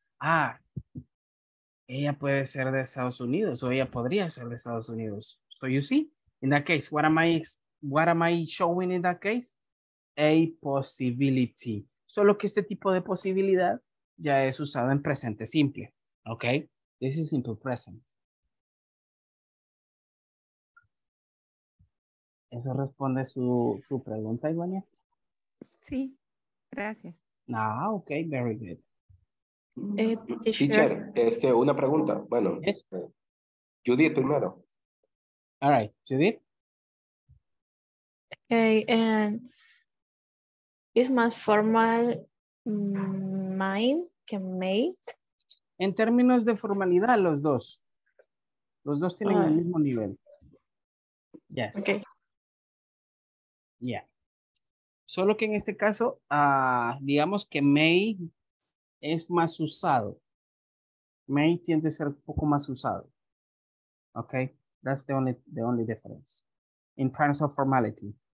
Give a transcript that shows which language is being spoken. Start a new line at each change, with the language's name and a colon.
Spanish: Ah, ella puede ser de Estados Unidos o ella podría ser de Estados Unidos.
English: So you see, in that case, what am I showing in that case? A possibility.
Spanish: Solo que este tipo de posibilidad ya es usado en presente simple.
English: Okay, this is simple present.
Spanish: ¿Eso responde su pregunta, Ivania? Sí, gracias.
English: Ah, ok, very good.
Spanish: Teacher, este, una pregunta. Bueno, yes. Judith primero.
English: All right, Judith. Okay, and is
Spanish: más formal mine que mate? En términos de formalidad, los dos. Los dos tienen el mismo nivel. Yes.
English: Okay. Yeah.
Spanish: Solo que en este caso, digamos que may es más usado. May tiende a ser un poco más usado.
English: Okay, that's the only difference in terms of formality.